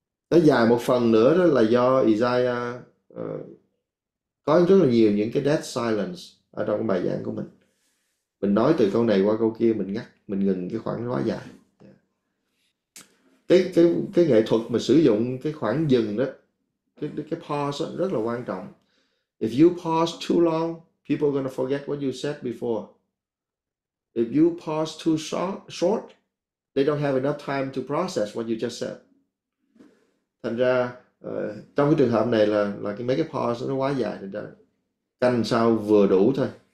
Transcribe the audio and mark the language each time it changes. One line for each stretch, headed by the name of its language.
Vietnamese: Nó dài một phần nữa đó là do Isaiah có rất là nhiều những cái dead silence ở trong cái bài giảng của mình. Mình nói từ câu này qua câu kia, mình ngắt, mình ngừng cái khoảng quá dài. Cái nghệ thuật mà sử dụng cái khoảng dừng đó, cái pause đó rất là quan trọng.
English: If you pause too long, people are gonna forget what you said before. If you pause too short, they don't have enough time to process what you just said.
Vietnamese: Thành ra trong cái trường hợp này là cái mấy cái pause nó quá dài, thành ra canh sao vừa đủ thôi.